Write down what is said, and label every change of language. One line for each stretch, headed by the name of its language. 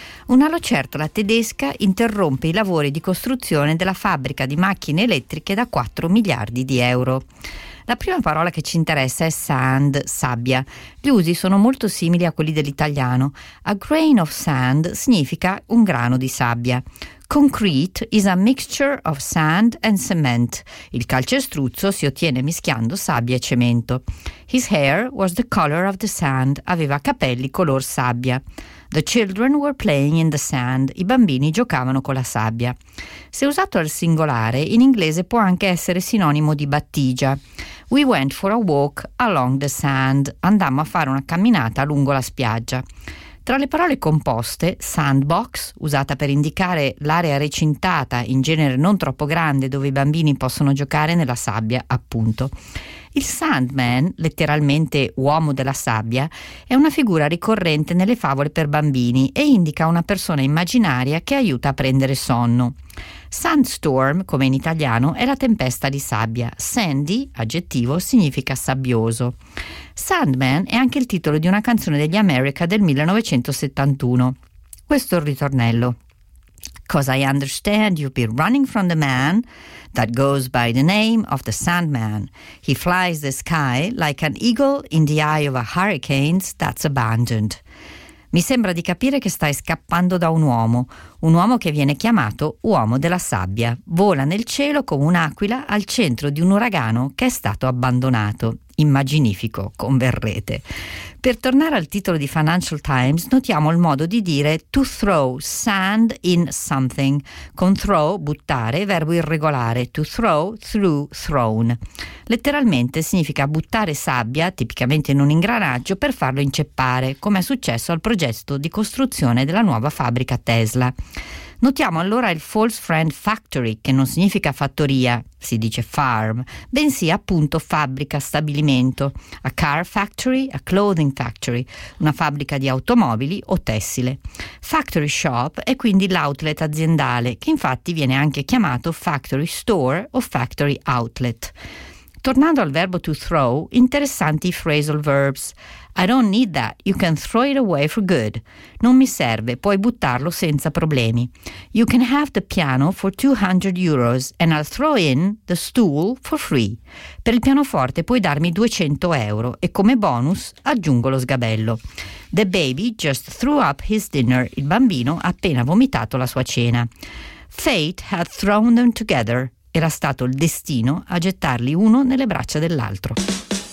Italian: Una lucertola tedesca interrompe i lavori di costruzione della fabbrica di macchine elettriche da 4 miliardi di euro. La prima parola che ci interessa è sand, sabbia. Gli usi sono molto simili a quelli dell'italiano.
English: A grain of sand
Italian: significa un grano di sabbia.
English: Concrete is a mixture of sand and cement.
Italian: Il calcestruzzo si ottiene mischiando sabbia e cemento.
English: His hair was the color of the sand.
Italian: Aveva capelli color sabbia.
English: The children were playing in the sand.
Italian: I bambini giocavano con la sabbia. Se usato al singolare, in inglese può anche essere sinonimo di battigia.
English: We went for a walk along the sand.
Italian: Andammo a fare una camminata lungo la spiaggia. Tra le parole composte, sandbox, usata per indicare l'area recintata, in genere non troppo grande, dove i bambini possono giocare nella sabbia, appunto. Il Sandman, letteralmente uomo della sabbia, è una figura ricorrente nelle favole per bambini e indica una persona immaginaria che aiuta a prendere sonno. Sandstorm, come in italiano, è la tempesta di sabbia. Sandy, aggettivo, significa sabbioso. Sandman è anche il titolo di una canzone degli America del 1971. Questo è il ritornello.
English: 'Cause I understand you've been running from the man that goes by the name of the Sandman. He flies the sky like an eagle in the eye of a hurricane that's abandoned.
Italian: Mi sembra di capire che stai scappando da un uomo che viene chiamato uomo della sabbia. Vola nel cielo come un'aquila al centro di un uragano che è stato abbandonato. Immaginifico, converrete. Per tornare al titolo di Financial Times, notiamo il modo di dire
English: to throw sand in something,
Italian: con throw, buttare, verbo irregolare, to throw, through, thrown. Letteralmente significa buttare sabbia, tipicamente in un ingranaggio, per farlo inceppare, come è successo al progetto di costruzione della nuova fabbrica Tesla. Notiamo allora il false friend factory, che non significa fattoria, si dice farm, bensì appunto fabbrica, stabilimento,
English: a car factory, a clothing factory,
Italian: una fabbrica di automobili o tessile. Factory shop è quindi l'outlet aziendale, che infatti viene anche chiamato factory store o factory outlet. Tornando al verbo to throw, interessanti i phrasal verbs.
English: I don't need that, you can throw it away for good.
Italian: Non mi serve, puoi buttarlo senza problemi.
English: You can have the piano for 200 euros and I'll throw in the stool for free.
Italian: Per il pianoforte puoi darmi 200 euro e come bonus aggiungo lo sgabello.
English: The baby just threw up his dinner,
Italian: il bambino ha appena vomitato la sua cena.
English: Fate had thrown them together.
Italian: Era stato il destino a gettarli uno nelle braccia dell'altro.